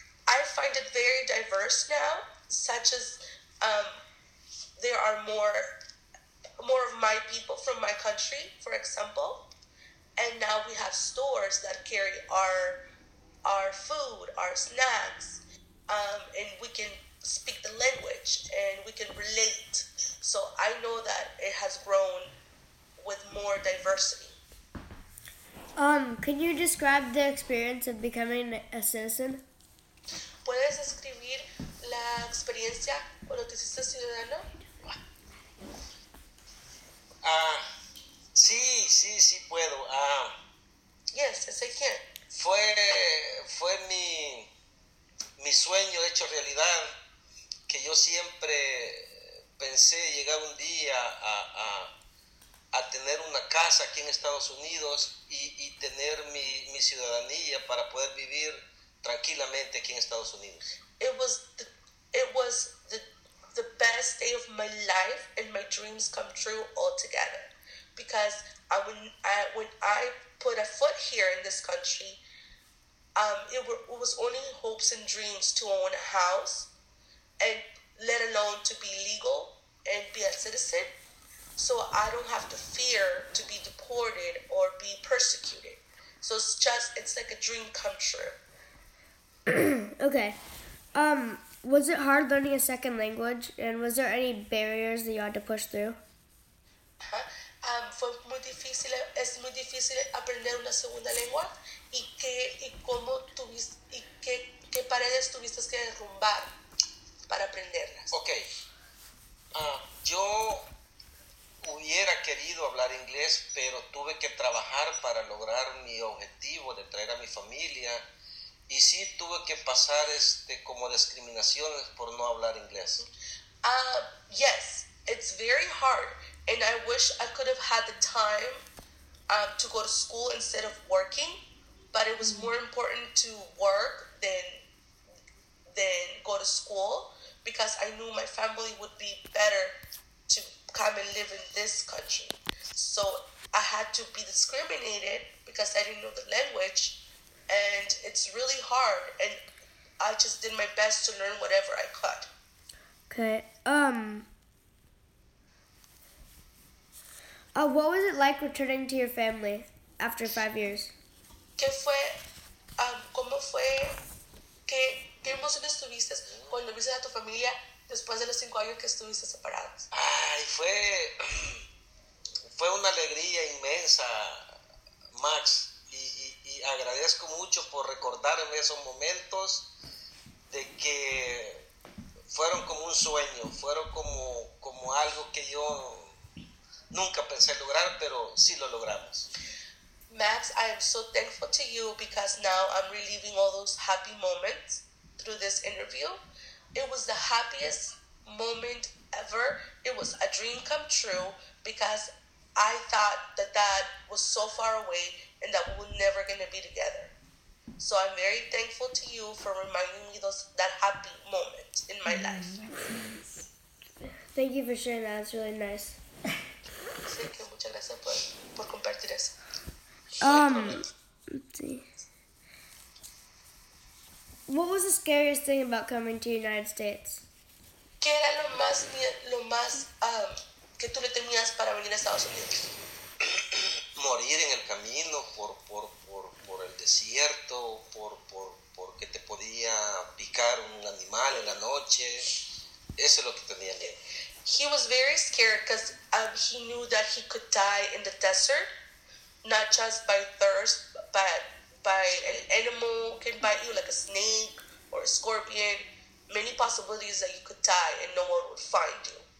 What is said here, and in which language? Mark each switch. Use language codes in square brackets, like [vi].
[en] I find it very diverse now, such as there are more of my people from my country, for example, and now we have stores that carry our food, our snacks. And we can speak the language and we can relate. So I know that it has grown with more diversity. Can you describe the experience of becoming a citizen? [es] ¿Puedes describir la experiencia cuando te hiciste ciudadano? Sí, puedo. [en] Yes, I say can. [es] Fue mi sueño hecho realidad, que yo siempre pensé llegar un día a tener una casa aquí en Estados Unidos y tener mi ciudadanía para poder vivir tranquilamente aquí en Estados Unidos. [en] It was the best day of my life and my dreams come true altogether, because when I put a foot here in this country, it was only hopes and dreams to own a house, and let alone to be legal and be a citizen, so I don't have to fear to be deported or be persecuted. So it's like a dream come true. Okay. Was it hard learning a second language, and was there any barriers that you had to push through? [es] Fue muy difícil, es muy difícil aprender una segunda lengua. ¿Y qué paredes tuviste que derrumbar para aprenderlas? Ok. Yo hubiera querido hablar inglés, pero tuve que trabajar para lograr mi objetivo de traer a mi familia. Y sí tuve que pasar como discriminaciones por no hablar inglés. [en] Yes, it's very hard. And I wish I could have had the time to go to school instead of working. But it was more important to work than go to school, because I knew my family would be better to come and live in this country. So I had to be discriminated because I didn't know the language, and it's really hard. And I just did my best to learn whatever I could. Okay. What was it like returning to your family after 5 years? [es] ¿Qué fue, cómo fue, qué emociones tuviste cuando viste a tu familia después de los 5 años que estuviste separados? Ay, fue una alegría inmensa, Max, y agradezco mucho por recordarme esos momentos de que fueron como un sueño, fueron como algo que yo nunca pensé lograr, pero sí lo logramos. [en] Max, I am so thankful to you, because now I'm reliving all those happy moments through this interview. It was the happiest moment ever. It was a dream come true, because I thought that was so far away and that we were never going to be together. So I'm very thankful to you for reminding me that happy moment in my life. Thank you for sharing that. It's really nice. [es] Sí, que muchas gracias por compartir eso. [en] Let's see. What was the scariest thing about coming to the United States? [es] ¿Qué era lo más que tú le tenías para venir a Estados Unidos? Morir en el camino por el desierto, porque te podía picar un animal en la noche. Eso es lo que tenía miedo. [en] He was very scared because he knew that he could die in the desert, not just by thirst, but by an animal can bite you, like a snake or a scorpion. Many possibilities that you could die and no one would find you.